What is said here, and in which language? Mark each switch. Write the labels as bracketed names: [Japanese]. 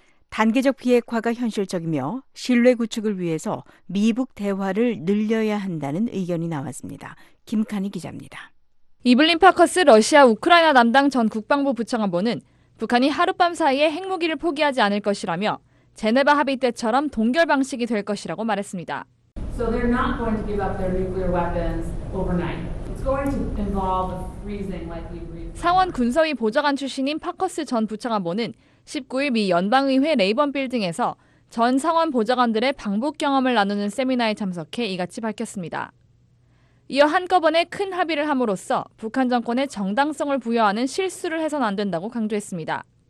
[Korean] 단계적 비핵화가 현실적이며 신뢰 구축을 위해서 미북 대화를 늘려야 한다는 의견이 나왔습니다. 김카니 기자입니다. 이블린 파커스 러시아 우크라이나 담당 전 국방부 부처관보는 북한이 하룻밤 사이에 핵무기를 포기하지 않을 것이라며 제네바 합의 때처럼 동결 방식이 될 것이라고 말했습니다. [English] So they're not going to give up their nuclear weapons overnight. It's going to involve a freezing like we agreed. [Korean] 상원 군사위 보좌관 출신인 파커스 전 부처관보는 19일 미 연방의회 레이번 빌딩에서 전 상원 보좌관들의 방북 경험을 나누는 세미나에 참석해 이같이 밝혔습니다. 이어 한꺼번에 큰 합의를 함으로써 북한 정권의 정당성을 부여하는 실수를 해서는 안 된다고 강조했습니다.